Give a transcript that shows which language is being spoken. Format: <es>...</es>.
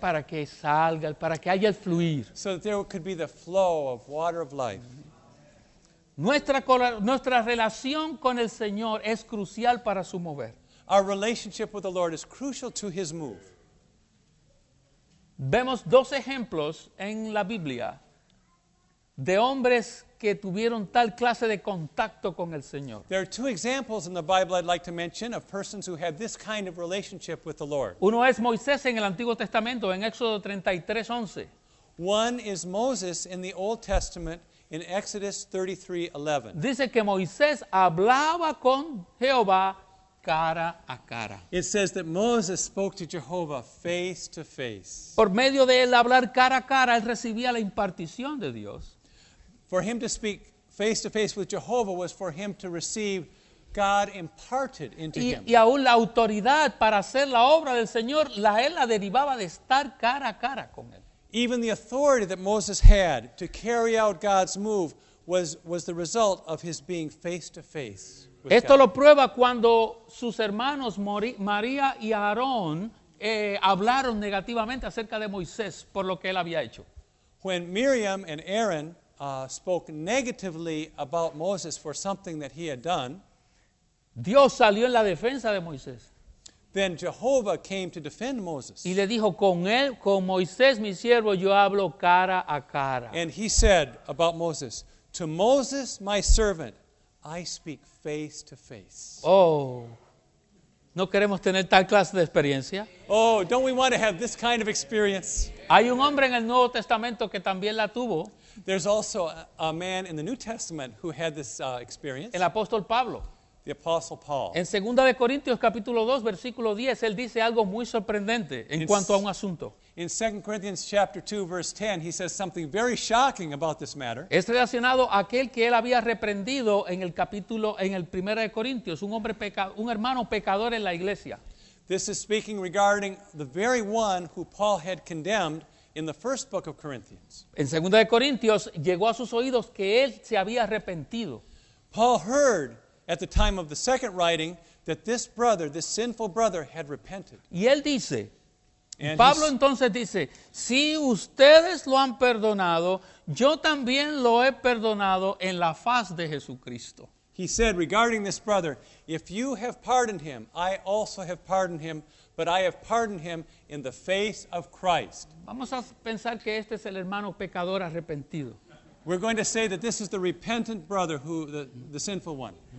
<es>Para que salga, para que haya el fluir.</es> <en>So that there could be the flow of water of life.</en> <es>Nuestra relación con el Señor es crucial para su mover.</es> <en>Our relationship with the Lord is crucial to His move.</en> <es>Vemos dos ejemplos en la Biblia de hombres que tuvieron tal clase de contacto con el Señor.</es> <en>There are two examples in the Bible I'd like to mention of persons who had this kind of relationship with the Lord.</en> <es>Uno es Moisés en el Antiguo Testamento, en Éxodo 33:11.</es> <en>One is Moses in the Old Testament in Exodus 33:11.</en> <es>Dice que Moisés hablaba con Jehová cara a cara.</es> <en>It says that Moses spoke to Jehovah face to face.</en> <es>Por medio de él hablar cara a cara, él recibía la impartición de Dios.</es> <en>For him to speak face to face with Jehovah was for him to receive God imparted into him.</en> <es>Y aún la autoridad para hacer la obra del Señor, él la derivaba de estar cara a cara con él.</es> <en>Even the authority that Moses had to carry out God's move was the result of his being face to face with God.</en> <es>Esto lo prueba cuando sus hermanos María y Aarón hablaron negativamente acerca de Moisés por lo que él había hecho.</es> <en>When Miriam and Aaron spoke negatively about Moses for something that he had done,</en> <es>Dios salió en la defensa de Moisés.</es> <en>Then Jehovah came to defend Moses.</en> <es>Y le dijo, con él, con Moisés, mi siervo, yo hablo cara a cara.</es> <en>And he said about Moses, to Moses, my servant, I speak face to face.</en> <es>Oh, no queremos tener tal clase de experiencia.</es> <en>Oh, don't we want to have this kind of experience?</en> <es>Hay un hombre en el Nuevo Testamento que también la tuvo.</es> <en>There's also a man in the New Testament who had this experience.</en> <es>El apóstol Pablo.</es> <en>The Apostle Paul.</en> <es>En 2 de Corintios capítulo 2 versículo 10 él dice algo muy sorprendente en cuanto a un asunto.</es> <en>In 2 Corinthians chapter 2 verse 10 he says something very shocking about this matter.</en> <es>Es relacionado a aquel que él había reprendido en el capítulo en el 1 de Corintios, un hermano pecador en la iglesia.</es> <en>This is speaking regarding the very one who Paul had condemned in the first book of Corinthians.</en> <es>En 2 de Corintios llegó a sus oídos que él se había arrepentido.</es> <en>Paul heard at the time of the second writing, that this brother, this sinful brother, had repented.</en> <es>Y él dice,</es> <en>and</en> <es>Pablo entonces dice, si ustedes lo han perdonado, yo también lo he perdonado en la faz de Jesucristo.</es> <en>He said, regarding this brother, if you have pardoned him, I also have pardoned him, but I have pardoned him in the face of Christ.</en> <es>Vamos a pensar que este es el hermano pecador arrepentido.</es> <en>We're going to say that this is the repentant brother, who the sinful one.</en>